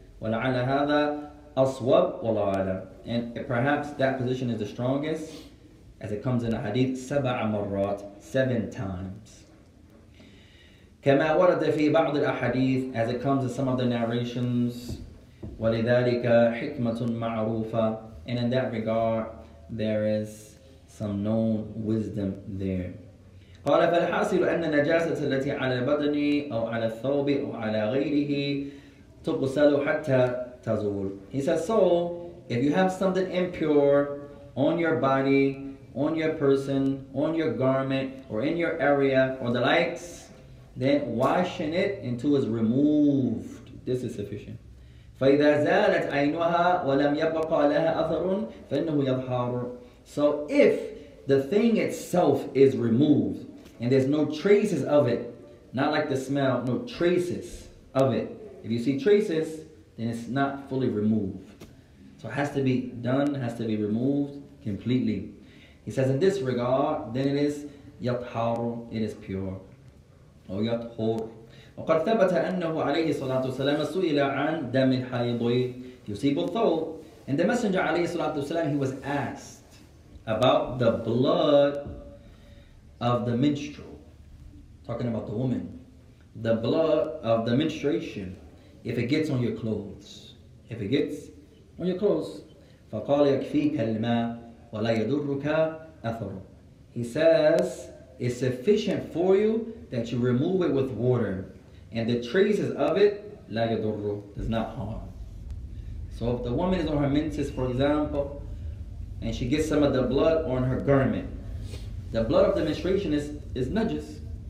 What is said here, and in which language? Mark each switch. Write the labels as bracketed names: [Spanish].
[Arabic] وَلَعَلَ هَذَا أَصْوَبْ وَلَعَلَ, [English] and perhaps that position is the strongest, as it comes in a hadith, [Arabic] 7 مرات, [English] 7 times. [Arabic] كما ورد في بعض الأحاديث, [English] as it comes in some of the narrations, [Arabic] ولذلك حكمة معروفة, [English] and in that regard, there is some known wisdom there. [Arabic] قال فالحاصل أن النجاسة التي على البدن أو على الثوب أو على غيره تغسل حتى تزول. [English] He says, so if you have something impure on your body, on your person, on your garment, or in your area, or the likes, then washing it until it's removed, this is sufficient. [Arabic] فَإِذَا زَالَتْ عَيْنُهَا وَلَمْ يَبَقَ لَهَا أَثَرٌ فَإِنَّهُ يَظْهَرُ. [English] So if the thing itself is removed, and there's no traces of it, not like the smell, no traces of it. If you see traces, then it's not fully removed. So it has to be done, has to be removed completely. He says, in this regard, then it is يطهر, it is pure. [Arabic] أو يطهر. وقد ثبت أنه عليه الصلاة والسلام سئل عن دم الحيض يصيب الثوب. [English] And the Messenger عليه الصلاة والسلام, he was asked about the blood of the menstrual. Talking about the woman. The blood of the menstruation. If it gets on your clothes. If it gets on your clothes. [Arabic] فقال يكفيك الماء وَلَا يَدُرُّكَ أَثَرُ. [English] He says, it's sufficient for you that you remove it with water, and the traces of it, [Arabic] لَا يَدُرُّ, [English] does not harm. So if the woman is on her menses, for example, and she gets some of the blood on her garment, the blood of the menstruation is najis.